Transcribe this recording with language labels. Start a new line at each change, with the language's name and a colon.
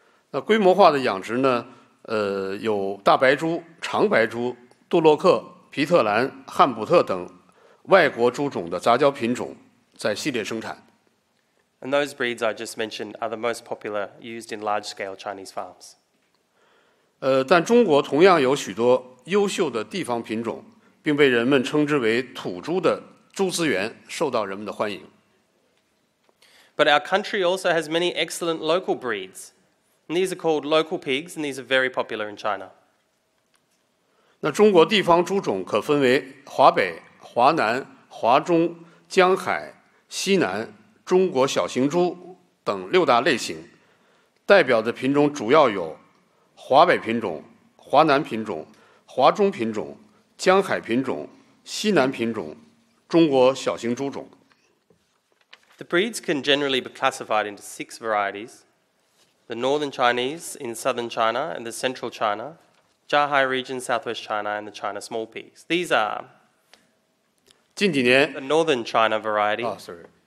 Chinese: 那规模化的养殖呢？有大白猪、长白猪、杜洛克、皮特兰、汉普特等外国猪种的杂交品种在系列生产。
English: And those breeds I just mentioned are the most popular used in large-scale Chinese farms.
Chinese: 但中国同样有许多优秀的地方品种，并被人们称之为土猪的猪资源受到人们的欢迎。
English: But our country also has many excellent local breeds. And these are called local pigs, and these are very popular in China.
Chinese: 那中国地方猪种可分为华北、华南、华中、江海、西南、中国小型猪等六大类型，代表的品种主要有华北品种、华南品种、华中品种、江海品种、西南品种、中国小型猪种。
English: The breeds can generally be classified into six varieties: the Northern Chinese in Southern China and the Central China, Zhuhai region Southwest China, and the China small pigs. These are.
Chinese: 近几年
English: the Northern China variety. Oh, sorry.